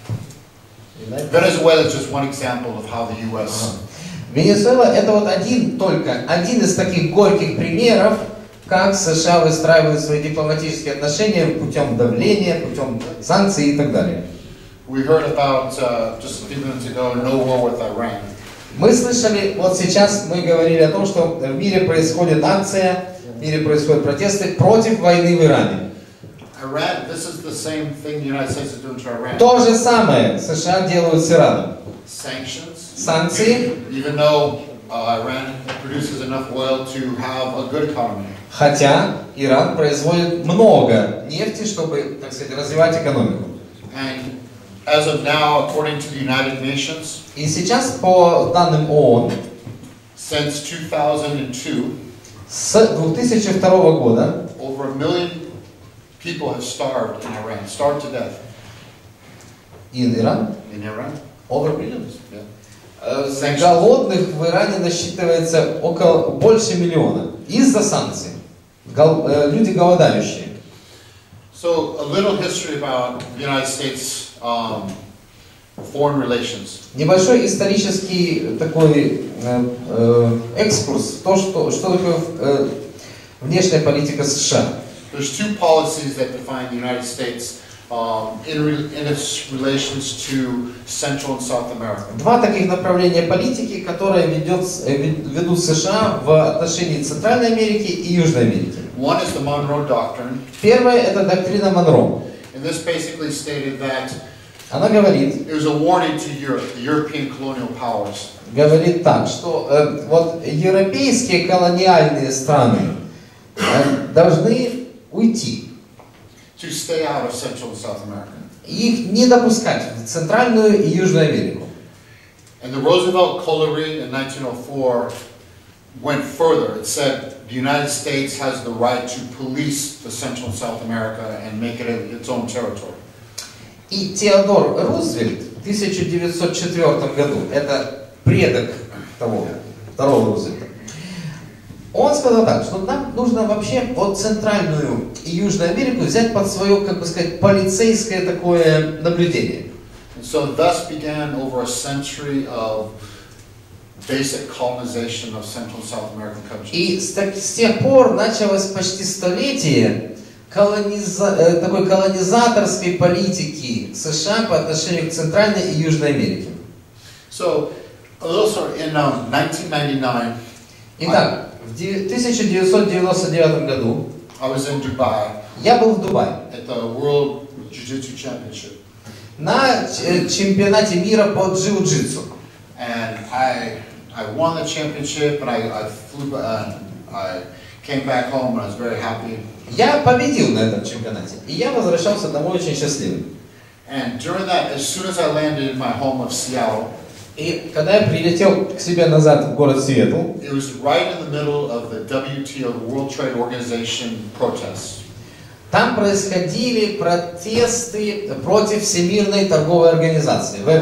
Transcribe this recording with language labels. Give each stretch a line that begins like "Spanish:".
English: Venezuela is just one example of how the U.S.
Russian: Венесуэла — это вот один из таких горьких примеров, как США выстраивают свои дипломатические отношения путем давления, путем санкций и так далее.
English: We heard about, just a few minutes ago, no war with Iran.
Russian: Мы слышали, вот сейчас мы говорили о том, что в мире происходит акция, в мире происходят протесты против войны в Иране.
English: Iran, this is the same thing the United States is doing to Iran.
Russian: То же самое США делают с Ираном.
English: Sanctions.
Russian: Санкции.
English: Even though Iran produces enough oil to have a good economy.
Russian: Хотя Иран производит много нефти, чтобы, так сказать, развивать экономику.
English: And as of now, according to the United Nations.
Russian: И сейчас по данным ООН.
English: Since 2002.
Russian: С 2002 года.
English: Over a million people have starved in Iran, starved to death. In Iran? In Iran. Over millions. Yeah.
Russian: Голодных в Иране насчитывается около больше миллиона из-за санкций. Люди голодающие.
English: So a little history about the United States foreign relations.
Russian: Небольшой исторический такой экскурс, то что такое внешняя политика США.
English: There's two policies that define the United States in its relations to Central and South America.
Russian: Два таких направления политики, которые ведут США в отношении Центральной Америки и Южной Америки.
English: One is the Monroe Doctrine.
Russian: Первая — это доктрина Монро.
English: And this basically stated that
Russian: она говорит,
English: it was a warning to Europe, the European colonial powers.
Russian: Говорит так, что вот европейские колониальные страны должны уйти.
English: To stay out of Central and South America.
Russian: Их не допускать в Центральную и Южную Америку.
English: And the Roosevelt Colliery in 1904 went further. It said the United States has the right to police the Central and South America and make it its own territory.
Russian: И Теодор Рузвельт в 1904 году, это предок второго Рузвельта, он сказал так, что нам нужно вообще вот Центральную и Южную Америку взять под свое, как бы сказать, полицейское такое наблюдение.
English: And so thus began over a century of basic colonization of Central and South American countries.
Russian: И с тех пор началось почти столетие такой колонизаторской политики США по отношению к Центральной и Южной Америке.
English: So, also in 1999.
Russian: Итак, в 1999 году
English: I was in Dubai,
Russian: я был в Дубае
English: at the World Jiu-Jitsu Championship.
Russian: На чемпионате мира по джиу-джитсу.
English: And I won the championship, but I flew and I came back home and I was very happy.
Russian: Я победил на этом чемпионате, и я возвращался домой очень счастливым.
English: And during that, as soon as I landed in my home of Seattle,
Russian: и когда я прилетел к себе назад в город Сиэтл,
English: it was right in the middle of the WTO, World Trade Organization protests.
Russian: Там происходили протесты против Всемирной торговой организации.